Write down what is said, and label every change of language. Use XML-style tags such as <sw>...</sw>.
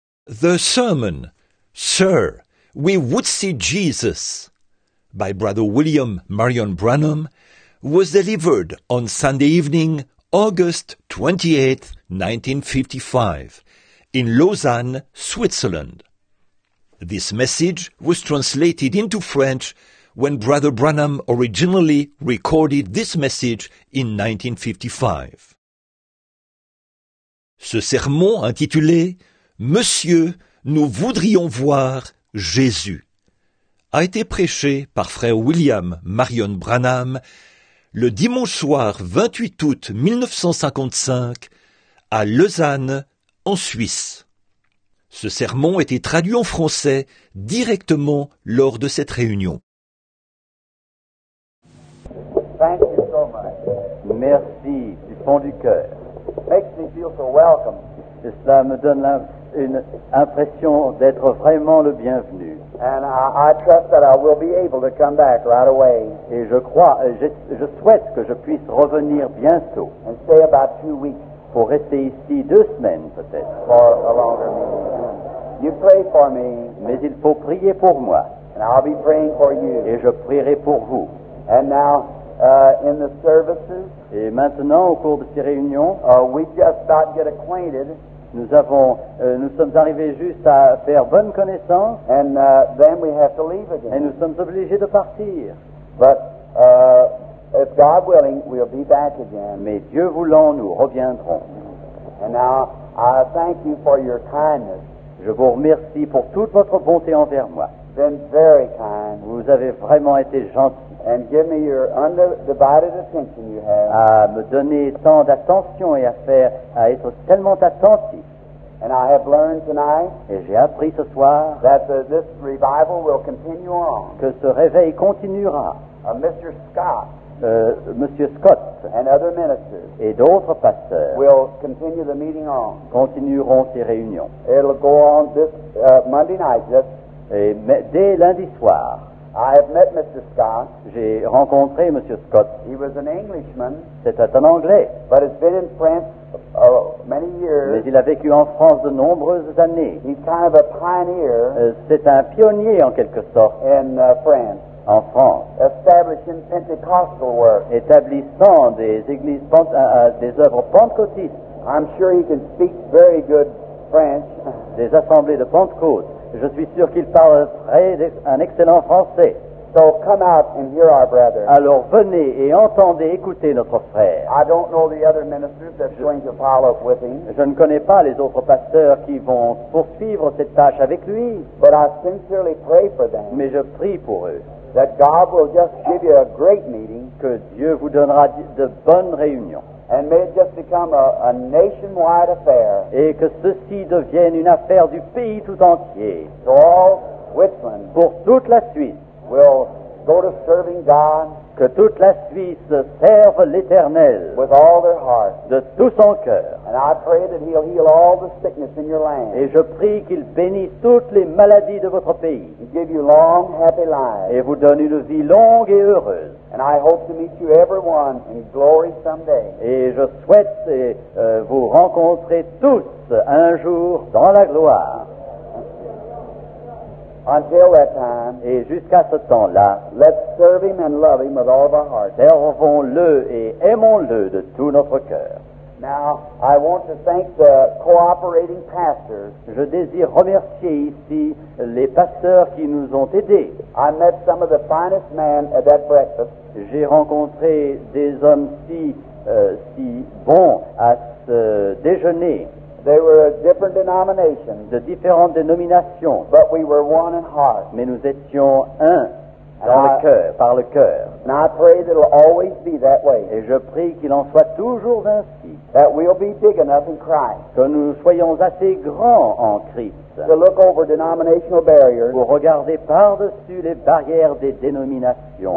<en>The Sermon, Sir, We Would See Jesus, by Brother William Marion Branham, was delivered on Sunday evening, August 28, 1955, in Lausanne, Switzerland. This message was translated into French when Brother Branham originally recorded this message in 1955.</en> <fr>Ce sermon intitulé « Monsieur, nous voudrions voir Jésus » a été prêché par Frère William Marion Branham le dimanche soir 28 août 1955 à Lausanne, en Suisse. Ce sermon était traduit en français directement lors de cette réunion.</fr> <en>Thank you so much.</en> <fr>Merci du fond du cœur.</fr> <en>Makes me feel so welcome.</en> <fr>Et cela me donne une impression d'être vraiment le bienvenu.</fr> <en>And I trust that I will be able to come back right away.</en> <fr>Et je souhaite que je puisse revenir bientôt.</fr> <en>And stay about 2 weeks.</en> <fr>Pour rester ici 2 semaines peut-être.</fr> <en>For a longer meeting. You pray for me.</en> <fr>Mais il faut prier pour moi.</fr> <en>And I'll be praying for you.</en> <fr>Et je prierai pour vous.</fr> <en>And now, in the services.</en> <fr>Et maintenant, au cours de ces réunions,</fr> <en>we just about get acquainted.</en> <fr>Nous sommes arrivés juste à faire bonne connaissance.</fr> <en>And then we have to leave again.</en> <fr>Et nous sommes obligés de partir.</fr> <en>But if God willing, we'll be back again.</en> <fr>Mais Dieu voulant, nous reviendrons.</fr> <en>And now, I thank you for your kindness.</en> <fr>Je vous remercie pour toute votre bonté envers moi.</fr> <en>Been very kind.</en> <fr>Vous avez vraiment été gentil.</fr> <en>And give me your undivided attention you have.</en> <fr>À me donner tant d'attention et à être tellement attentif.</fr> <en>And I have learned tonight.</en> <fr>Et j'ai appris ce soir.</fr> <en>That this revival will continue on.</en> <fr>Que ce réveil continuera.</fr> <en>Mr. Scott.</en> <fr>Monsieur Scott.</fr> <en>And other ministers.</en> <fr>Et d'autres pasteurs.</fr> <en>Will continue the meeting on.</en> <fr>Continueront ces réunions.</fr> <en>It'll go on this Monday night just.</en> <fr>Dès lundi soir,</fr> <en>I have met Mr. Scott.</en> <fr>J'ai rencontré Monsieur Scott.</fr> <en>He was an Englishman.</en> <fr>C'était un Anglais.</fr> <en>But has been in France many years.</en> <fr>Mais il a vécu en France de nombreuses années.</fr> <en>He's kind of a pioneer.</en> <fr>C'est un pionnier en quelque sorte.</fr> <en>In France.</en> <fr>En France.</fr> <en>Establishing Pentecostal work.</en> <fr>Établissant des églises des œuvres pentecôtistes.</fr> <en>I'm sure he can speak very good French.</en> <fr>Des assemblées de Pentecôte. Je suis sûr qu'il parle un excellent français.</fr> <en>So come out and hear our brother.</en> <fr>Alors venez et entendez, écoutez notre frère.</fr> <en>I don't know the other ministers that's going to follow up with him.</en> <fr>Je ne connais pas les autres pasteurs qui vont poursuivre cette tâche avec lui.</fr> <en>But I sincerely pray for them.</en> <fr>Mais je prie pour eux.</fr> <en>That God will just give you a great meeting.</en> <fr>Que Dieu vous donnera de bonnes réunions.</fr> <en>And may it just become a nationwide affair.</en> <fr>Et que ceci devienne une affaire du pays tout entier.</fr> <en>So all Switzerland.</en> <fr>Pour toute la Suisse.</fr> <en>Will go to serving God.</en> <fr>Que toute la Suisse serve l'Éternel.</fr> <en>With all their heart.</en> <fr>De tout son cœur.</fr> <en>And I pray that he'll heal all the sickness in your land.</en> <fr>Et je prie qu'il bénisse toutes les maladies de votre pays.</fr> <en>He'll give you long, happy lives.</en> <fr>Et vous donne une vie longue et heureuse.</fr> <en>And I hope to meet you, everyone, in glory someday.</en> <fr>Et je souhaite vous rencontrer tous un jour dans la gloire.</fr> <en>Until that time,</en> <fr>et jusqu'à ce temps-là,</fr> <en>let's serve him and love him with all of our hearts.</en> <fr>Servons-le et aimons-le de tout notre cœur.</fr> <en>Now, I want to thank the cooperating pastors.</en> <fr>Je désire remercier ici les pasteurs qui nous ont aidés.</fr> <en>I met some of the finest men at that breakfast.</en> <fr>J'ai rencontré des hommes si bons à ce déjeuner.</fr> <en>They were a different denomination.</en> <fr>De différentes dénominations.</fr> <en>But we were one in heart.</en> <fr>Mais nous étions un par le cœur.</fr> <en>And I pray that it'll always be that way.</en> <fr>Et je prie qu'il en soit toujours ainsi.</fr> <en>That we'll be big enough in Christ.</en> <fr>Que nous soyons assez grands en Christ.</fr> <en>To look over denominational barriers.</en> <fr>Pour regarder par-dessus les barrières des dénominations.</fr>